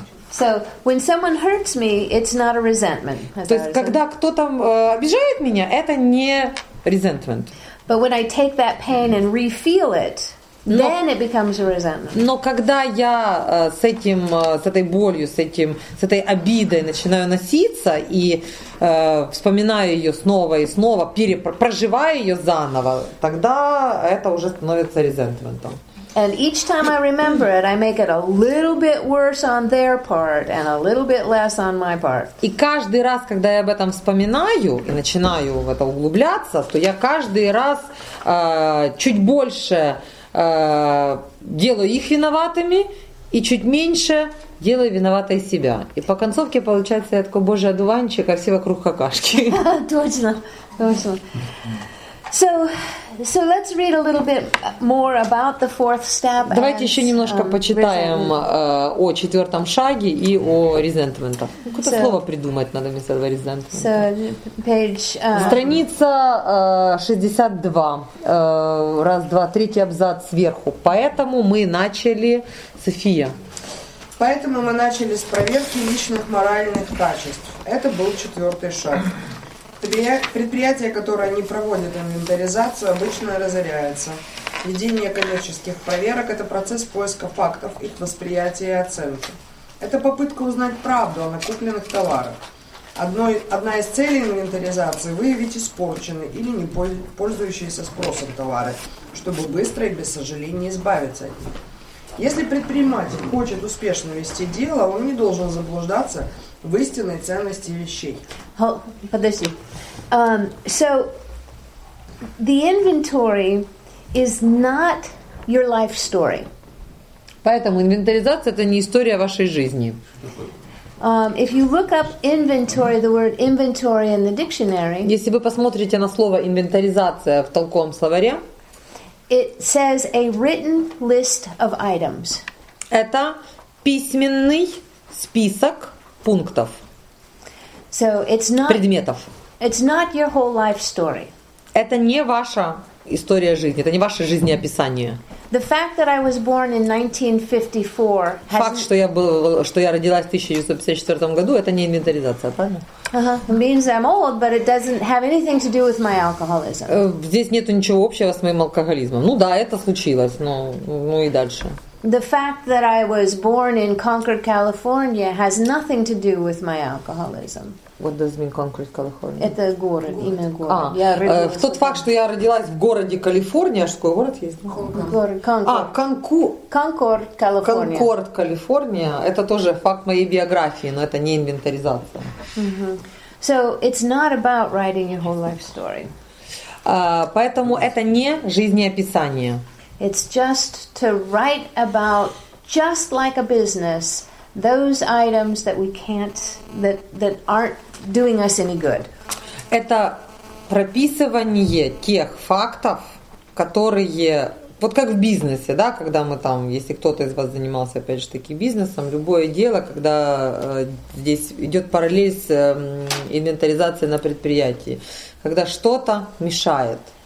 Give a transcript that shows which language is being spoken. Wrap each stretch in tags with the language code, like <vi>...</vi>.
<en>So, when someone hurts me, it's not a resentment.</en> <ru>То есть, когда кто-то обижает меня, это не resentment.</ru> <en>But when I take that pain and re-feel it, then it becomes a resentment.</en> <ru>Но когда я с этой болью, с этой обидой начинаю носиться и вспоминаю ее снова и снова, проживаю ее заново, тогда это уже становится resentmentом.</ru> <en>And each time I remember it, I make it a little bit worse on their part and a little bit less on my part.</en> <ru>И каждый раз, когда я об этом вспоминаю и начинаю в это углубляться, то я каждый раз чуть больше делаю их виноватыми и чуть меньше делаю виноватой себя. И по концовке получается я такой божий одуванчик, а все вокруг какашки. Точно, точно.</ru> <en>So let's read a little bit more about the fourth step.</en> <ru>Давайте еще немножко почитаем о четвертом шаге и о резентментах. Какое-то слово придумать надо вместо этого резентмента.</ru> <en>So,</en> <ru>Страница 62. Раз, два, третий абзац сверху. Поэтому мы начали... София. Поэтому мы начали с проверки личных моральных качеств. Это был четвертый шаг. Предприятие, которое не проводит инвентаризацию, обычно разоряется. Ведение коммерческих проверок – это процесс поиска фактов, их восприятия и оценки. Это попытка узнать правду о накупленных товарах. Одна из целей инвентаризации – выявить испорченные или не пользующиеся спросом товары, чтобы быстро и без сожаления избавиться от них. Если предприниматель хочет успешно вести дело, он не должен заблуждаться в истинной ценности вещей. Подожди.</ru> <en>So the inventory is not your life story.</en> <ru>Поэтому инвентаризация — это не история вашей жизни.</ru> <en>If you look up inventory, the word inventory in the dictionary.</en> <ru>Если вы посмотрите на слово инвентаризация в толковом словаре.</ru> <en>It says a written list of items.</en> <ru>Это письменный список пунктов.</ru> <en>So it's not</en> <ru>предметов.</ru> <en>It's not your whole life story.</en> <ru>Это не ваша история жизни, это не ваше жизнеописание.</ru> <en>The fact that I was born in 1954.</en> <ru>Факт, что я был, что я родилась в 1954 году, это не инвентаризация, правильно?</ru> <en>Uh-huh. It means I'm old, but it doesn't have anything to do with my alcoholism.</en> <ru>Здесь нету ничего общего с моим алкоголизмом. Ну да, это случилось, но ну и дальше.</ru> <en>The fact that I was born in Concord, California, has nothing to do with my alcoholism. What does mean Concord, California?</en> <ru>Это город, имя города. В тот факт, что я родилась в городе Калифорния, что город есть? Конкорд, Калифорния. Конкорд, Калифорния. Это тоже факт моей биографии, но это не инвентаризация.</ru> <en>So it's not about writing your whole life story.</en> <ru>Поэтому это не жизнеописание.</ru> <en>It's just to write about, just like a business, those items that we can't, that aren't doing us any good.</en> <ru>Это прописывание тех фактов, которые, вот как в бизнесе, да, когда мы там, если кто-то из вас занимался, опять же, таки бизнесом, любое дело, когда здесь идет параллель с инвентаризацией на предприятии, когда что-то мешает.</ru>